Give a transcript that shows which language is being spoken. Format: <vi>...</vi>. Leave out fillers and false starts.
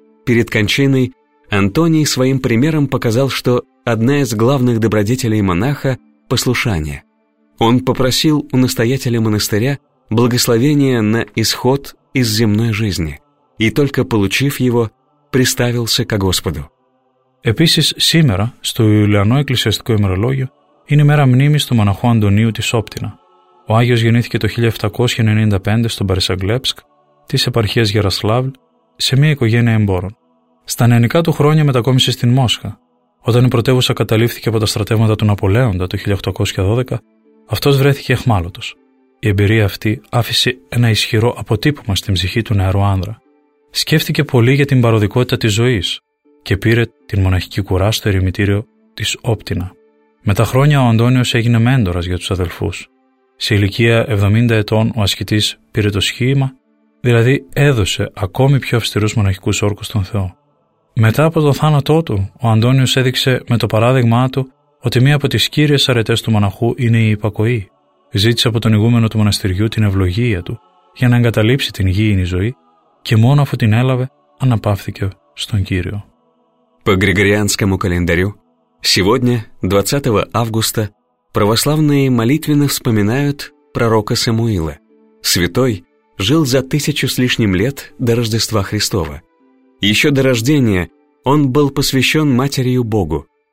<ru>Перед кончиной Антоний своим примером показал, что одна из главных добродетелей монаха – послушание. Он попросил у настоятеля монастыря благословения на исход из земной жизни и только получив его, приставился ко Господу.</ru> <el>Επίσης, σήμερα, στο Ιουλιανό Εκκλησιαστικό ημερολόγιο, είναι η μέρα μνήμης του μοναχού Αντωνίου της Όπτινα. Ο Άγιος γεννήθηκε το 1795 στο Μπαρισαγκλέψκ, της επαρχίας Γερασλάβλ, σε μια οικογένεια εμπόρων. Στα νεανικά του χρόνια μετακόμισε στην Μόσχα. Όταν η πρωτεύουσα καταλήφθηκε από τα στρατεύματα του Ναπολέοντα το 1812, αυτός βρέθηκε αιχμάλωτος. Η εμπειρία αυτή άφησε ένα ισχυρό αποτύπωμα στην ψυχή του νεαρού άνδρα. Σκέφτηκε πολύ για την παροδικότητα της ζωής και πήρε την μοναχική κουρά στο ερημητήριο της Όπτινα. Με τα χρόνια ο Αντώνιος έγινε μέντορας για τους αδελφούς. Σε ηλικία 70 ετών ο ασκητής πήρε το σχήμα, δηλαδή έδωσε ακόμη πιο αυστηρούς μοναχικούς όρκους στον Θεό. Μετά από το θάνατό του, ο Αντώνιος έδειξε με το παράδειγμά του ότι μία από τις κύριες αρετές του μοναχού είναι η υπακοή. Ζήτησε από τον ηγούμενο του μοναστηριού την ευλογία του για να εγκαταλείψει την γήινη ζωή και μόνο αφού την έλαβε αναπαύθηκε στον Κύριο.</el> <ru>По Григорианскому календарю, сегодня, 20 августа, православные молитвенно вспоминают пророка Самуила. Святой жил за 1000 с лишним лет до Рождества Христова. Еще до рождения он был посвящен Матерью Богу.</ru>